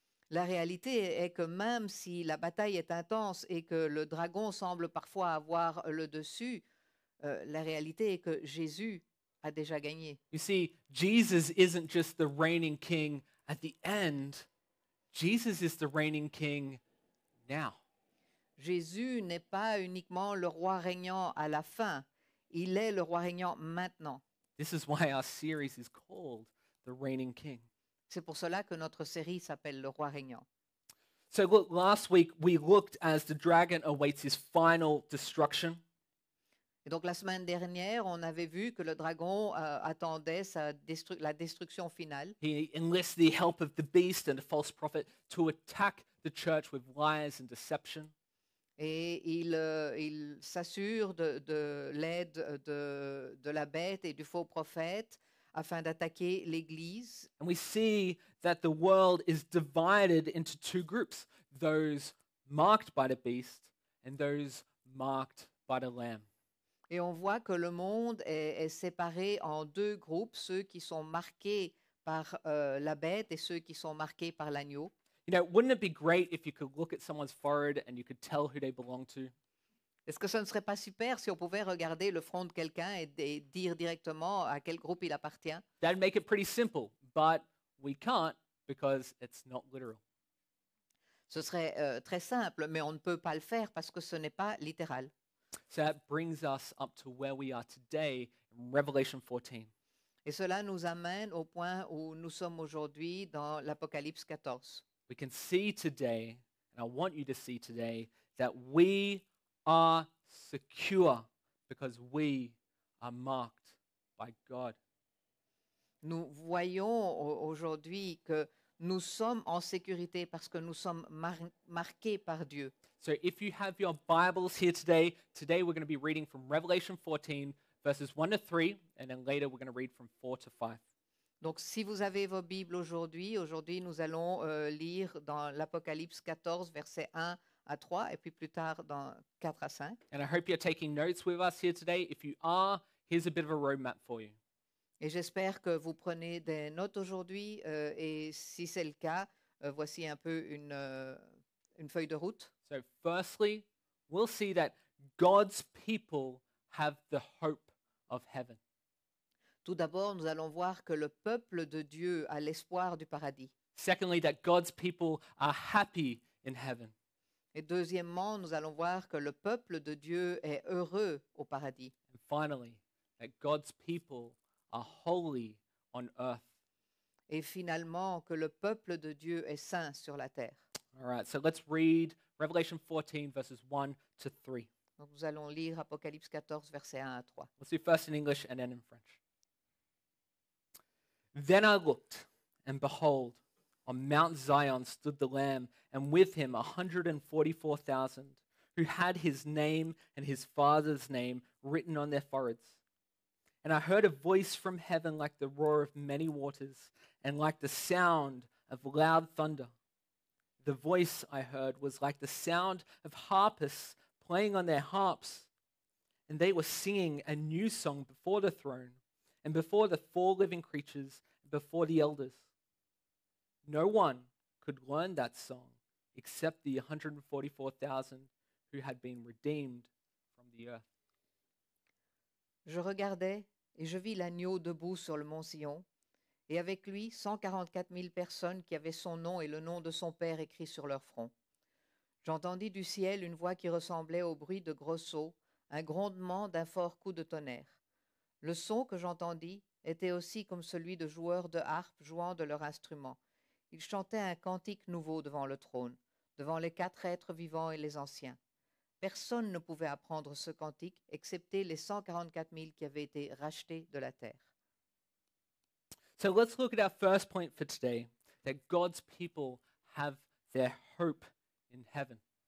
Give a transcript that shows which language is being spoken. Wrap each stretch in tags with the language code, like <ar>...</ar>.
<fr>La réalité est que même si la bataille est intense et que le dragon semble parfois avoir le dessus, la réalité est que Jésus a déjà gagné.</fr> <en>You see, Jesus isn't just the reigning king at the end. Jesus is the reigning king now.</en> <fr>Jésus n'est pas uniquement le roi régnant à la fin. Il est le roi régnant maintenant.</fr> <en>This is why our series is called The Reigning King.</en> <fr>C'est pour cela que notre série s'appelle Le Roi Régnant.</fr> <en>So look, last week we looked as the dragon awaits his final destruction.</en> <fr>Et donc la semaine dernière, on avait vu que le dragon attendait la destruction finale.</fr> <en>He enlists the help of the beast and the false prophet to attack the church with lies and deception.</en> <fr>Et il s'assure de l'aide de la bête et du faux prophète afin d'attaquer l'église.</fr> <en>And we see that the world is divided into two groups, those marked by the beast and those marked by the lamb.</en> <fr>Et on voit que le monde est séparé en deux groupes, ceux qui sont marqués par la bête et ceux qui sont marqués par l'agneau.</fr> <en>You know, wouldn't it be great if you could look at someone's forehead and you could tell who they belong to?</en> <fr>Est-ce que ça ne serait pas super si on pouvait regarder le front de quelqu'un et dire directement à quel groupe il appartient?</fr> <en>That'd make it pretty simple, but we can't because it's not literal.</en> <fr>Ce serait très simple, mais on ne peut pas le faire parce que ce n'est pas littéral.</fr> <en>So that brings us up to where we are today in Revelation 14.</en> <fr>Et cela nous amène au point où nous sommes aujourd'hui dans l'Apocalypse 14.</fr> <en>We can see today, and I want you to see today, that we are secure because we are marked by God.</en> <fr>Nous voyons aujourd'hui que nous sommes en sécurité parce que nous sommes marqués par Dieu.</fr> <en>So if you have your Bibles here today we're going to be reading from Revelation 14, verses 1 to 3, and then later we're going to read from 4 to 5.</en> <fr>Donc si vous avez vos Bibles aujourd'hui nous allons lire dans l'Apocalypse 14, versets 1 à 3, et puis plus tard dans 4 à 5.</fr> <en>And I hope you're taking notes with us here today. If you are, here's a bit of a roadmap for you.</en> <fr>Et j'espère que vous prenez des notes aujourd'hui, et si c'est le cas, voici un peu une feuille de route.</fr> <en>So firstly, we'll see that God's people have the hope of heaven.</en> <fr>Tout d'abord, nous allons voir que le peuple de Dieu a l'espoir du paradis.</fr> <en>Secondly, that God's people are happy in heaven.</en> <fr>Et deuxièmement, nous allons voir que le peuple de Dieu est heureux au paradis.</fr> <en>And finally, that God's people are holy on earth.</en> <fr>Et finalement, que le peuple de Dieu est saint sur la terre.</fr> <en>All right, so let's read Revelation 14, verses 1 to 3.</en> <fr>Donc nous allons lire Apocalypse 14, versets 1 à 3.</fr> <en>Let's do first in English and then in French. Then I looked, and behold, on Mount Zion stood the Lamb, and with him 144,000, who had his name and his father's name written on their foreheads. And I heard a voice from heaven like the roar of many waters, and like the sound of loud thunder. The voice I heard was like the sound of harpists playing on their harps, and they were singing a new song before the throne and before the four living creatures and before the elders. No one could learn that song except the 144,000 who had been redeemed from the earth.</en> <fr>Je regardais et je vis l'agneau debout sur le mont Sion, et avec lui 144 000 personnes qui avaient son nom et le nom de son père écrit sur leur front. J'entendis du ciel une voix qui ressemblait au bruit de gros sceaux, un grondement d'un fort coup de tonnerre. Le son que j'entendis était aussi comme celui de joueurs de harpe jouant de leur instrument. Ils chantaient un cantique nouveau devant le trône, devant les quatre êtres vivants et les anciens. Personne ne pouvait apprendre ce cantique, excepté les 144 000 qui avaient été rachetés de la terre.</fr> <en>So let's look at our first point for today, that God's people have their hope in heaven.</en>